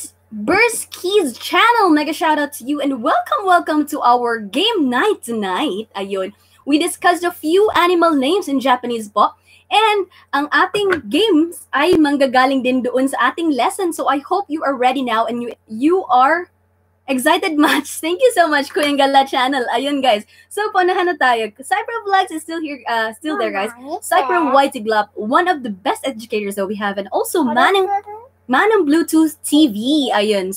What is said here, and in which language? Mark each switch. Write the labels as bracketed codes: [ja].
[en] Burski's channel, mega shout out to you and welcome to our game night tonight. Ayun, we discussed a few animal names in Japanese po. [tl] And ang ating games ay manggagaling din doon sa ating lesson. [en] So I hope you are ready now and you are excited much. Thank you so much, Kuya Gala channel. Ayun guys, so [tl] punahan na tayo. [en] Cypher Vlogs is still here, still there guys. Cypher White Glob, one of the best educators that we have. And also Manong Bluetooth TV, ayun.